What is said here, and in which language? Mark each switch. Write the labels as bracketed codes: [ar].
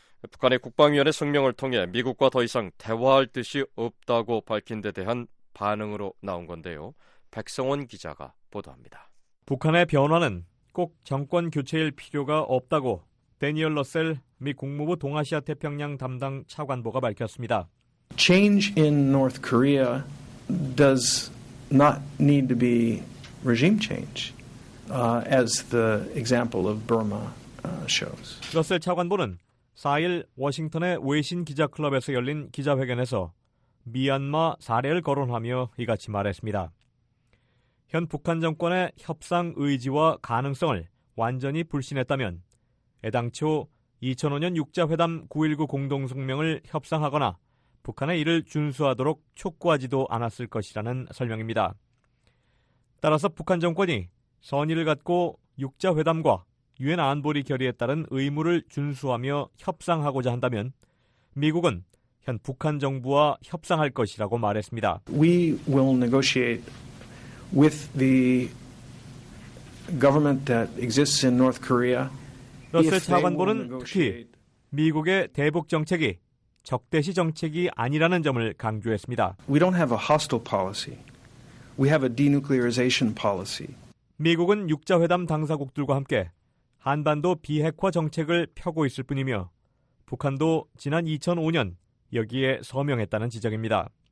[ko] 북한의 국방위원회 성명을 통해 미국과 더 이상 대화할 뜻이 없다고 밝힌 데 대한 반응으로 나온 건데요. 백성원 기자가 보도합니다. 북한의 변화는 꼭 정권 교체일 필요가 없다고 대니얼 러셀 미 국무부 동아시아 태평양 담당 차관보가 밝혔습니다. [en] Change in North Korea does not need to be regime change as the example of Burma shows. [ko] 러셀 차관보는 4일 워싱턴의 외신 기자클럽에서 열린 기자회견에서 미얀마 사례를 거론하며 이같이 말했습니다. 현 북한 정권의 협상 의지와 가능성을 완전히 불신했다면 애당초 2005년 6자회담 9.19 공동성명을 협상하거나 북한의 이를 준수하도록 촉구하지도 않았을 것이라는 설명입니다. 따라서 북한 정권이 선의를 갖고 6자회담과 유엔 안보리 결의에 따른 의무를 준수하며 협상하고자 한다면 미국은 현 북한 정부와 협상할 것이라고 말했습니다. [en] We will negotiate with the government that exists in North Korea. [ko] 러셀 차관보는 특히 미국의 대북 정책이 적대시 정책이 아니라는 점을 강조했습니다. [en] We don't have a hostile policy. We have a denuclearization policy. [ko] 미국은 6자회담 당사국들과 함께 한반도 비핵화 정책을 펴고 있을 뿐이며 북한도 지난 2005년 여기에 서명했다는 지적입니다.